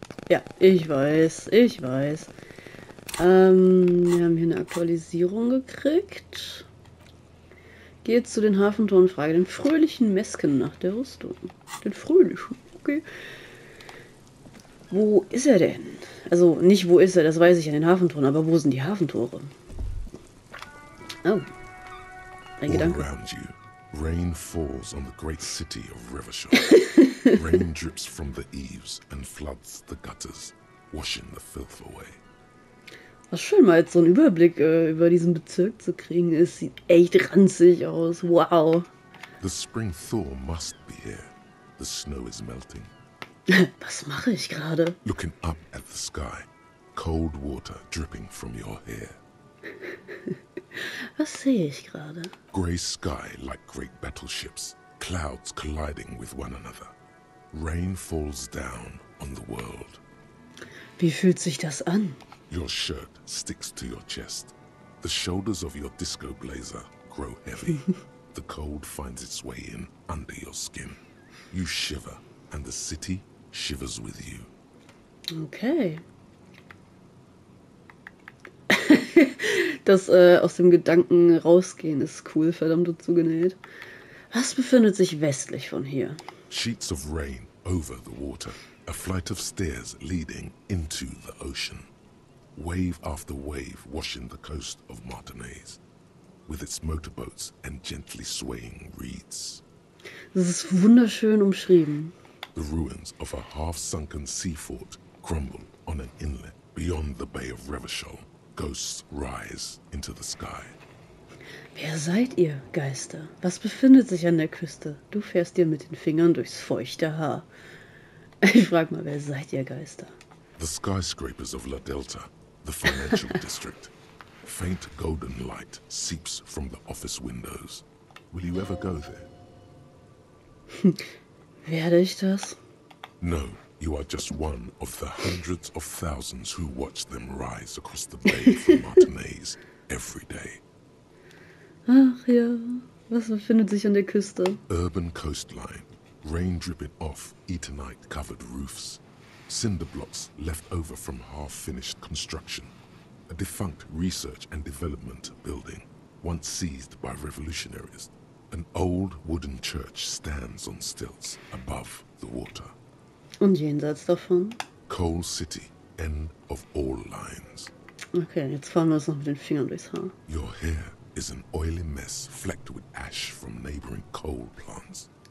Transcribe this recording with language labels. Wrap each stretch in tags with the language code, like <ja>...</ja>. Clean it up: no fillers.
<de>Ja, ich weiß. Wir haben hier eine Aktualisierung gekriegt. Gehe zu den Hafentoren und frage den fröhlichen Mesken nach der Rüstung. Den fröhlichen, okay. Wo ist er denn? Also nicht wo ist er, das weiß ich an den Hafentoren, aber wo sind die Hafentore? Oh. Ein Gedanke.</de> <en>All around you, rain falls on the great city of Rivershore. Rain drips from the eaves and floods the gutters, washing the filth away.</en> <de>Was schön, mal jetzt so einen Überblick über diesen Bezirk zu kriegen. Es sieht echt ranzig aus. Wow.</de> <en>The spring thaw must be here. The snow is melting.</en> <de>Was mache ich gerade?</de> <en>Looking up at the sky. Cold water dripping from your hair.</en> <de>Was sehe ich gerade?</de> <en>Gray sky like great battleships. Clouds colliding with one another. Rain falls down on the world.</en> <de>Wie fühlt sich das an?</de> <en>Your shirt sticks to your chest. The shoulders of your disco blazer grow heavy. The cold finds its way in under your skin. You shiver, and the city shivers with you. Okay.</en> <de>Das aus dem Gedanken rausgehen ist cool, verdammt und zugenäht. Was befindet sich westlich von hier?</de> <en>Sheets of rain over the water. A flight of stairs leading into the ocean. Wave after wave washing the coast of Martinez with its motorboats and gently swaying reeds.</en> <de>Das ist wunderschön umschrieben.</de> <en>The ruins of a half-sunken sea fort crumble on an inlet beyond the Bay of Revachol. Ghosts rise into the sky.</en> <de>Wer seid ihr, Geister? Was befindet sich an der Küste? Du fährst dir mit den Fingern durchs feuchte Haar. Ich frag mal, wer seid ihr, Geister?</de> <en>The skyscrapers of La Delta. The financial district. Faint golden light seeps from the office windows. Will you ever go there?</en> <de>Werde ich das?</de> <en>No, you are just one of the hundreds of thousands who watch them rise across the bay from Martinez every day.</en> <de>Ach ja, was befindet sich an der Küste?</de> <en>Urban coastline, rain dripping off Eternite-covered roofs. Cinder blocks left over from half-finished construction. A defunct research and development building, once seized by revolutionaries. An old wooden church stands on stilts above the water.</en> <de>Und jenseits davon?</de> <en>Coal City, end of all lines.</en> <de>Okay, jetzt fahren wir uns noch mit den Fingern durchs Haar.</de> <en>Your hair is an oily mess flecked with ash from neighboring coal plants.</en>